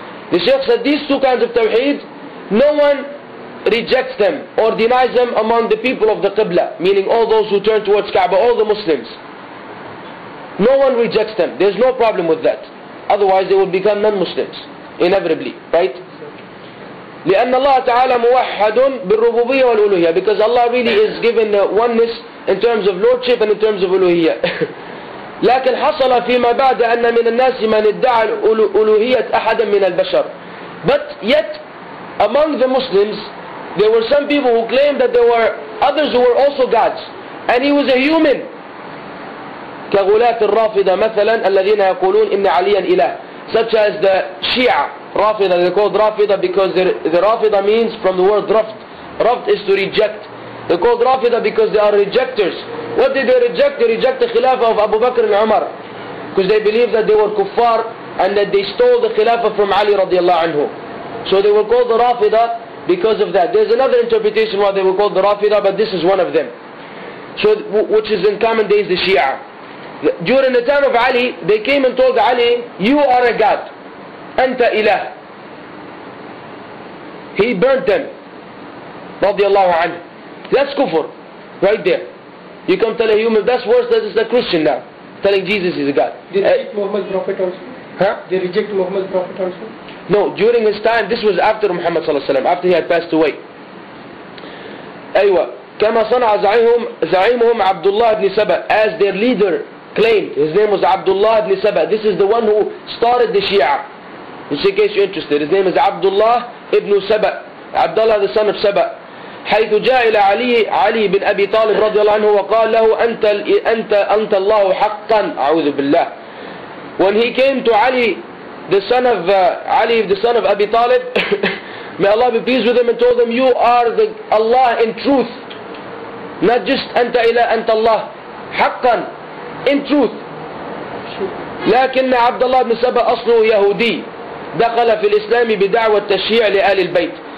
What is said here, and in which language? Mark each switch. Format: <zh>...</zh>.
<en>The Shaykh said these two kinds of tawheed, no one rejects them or denies them among the people of the Qibla, meaning all those who turn towards Kaaba, all the Muslims. No one rejects them. There's no problem with that. Otherwise they will become non-Muslims, inevitably, right?</en> <ar>لأن الله تعالى موحد بالربوبية والألوهية.</ar> <en>Because Allah really is given the oneness in terms of lordship and in terms of ألوهية.</en> <ar>لكن حصل فيما بعد أن من الناس من ادعى ألوهية أحدا من البشر.</ar> <en>But yet, among the Muslims, there were some people who claimed that there were others who were also gods. And he was a human.</en> <ar>كغلاة الرافضة مثلا الذين يقولون إن عليا إله.</ar> <en>Such as the Shia, Rafida. They're called Rafida because the Rafida means from the word Raft. Raft is to reject. They're called Rafida because they are rejectors. What did they reject? They reject the Khilafah of Abu Bakr and Umar. Because they believe that they were kuffar and that they stole the Khilafah from Ali radiallahu anhu. So they were called the Rafida because of that. There's another interpretation why they were called the Rafida, but this is one of them. So which is in common days the Shia. During the time of Ali, they came and told Ali, you are a god.</en> <ar>أنت إله.</ar> <en>He burnt them.</en> <ar>رضي الله عنه.</ar> <en>That's kufr. Right there. You come tell a human, that's worse than a Christian now. Telling Jesus is a god. They reject Muhammad's prophet also? Huh? They reject Muhammad's prophet also? No, during his time, this was after Muhammad صلى الله عليه وسلم, after he had passed away. أيوة.</en> <ar>كما صنع زعيمهم عبد الله بن سبأ.</ar> <en>As their leader claimed, his name was Abdullah ibn Sabah. This is the one who started the Shia. Just in case you're interested, his name is Abdullah ibn Sabah. Abdullah the son of Sabah.</en> <ar>حيث جاء إلى علي علي بن أبي طالب رضي الله عنه وقال له أنت الله حقا أعوذ بالله.</ar> <en>When he came to Ali, the son of Abi Talib, may Allah be pleased with him, and told him, you are the Allah in truth, not just</en> <ar>أنت إله أنت الله حقا.</ar> <en>In truth.</en> <ar>لكن عبد الله بن سبأ أصله يهودي دخل في الإسلام بدعوة التشيع لآل البيت.</ar>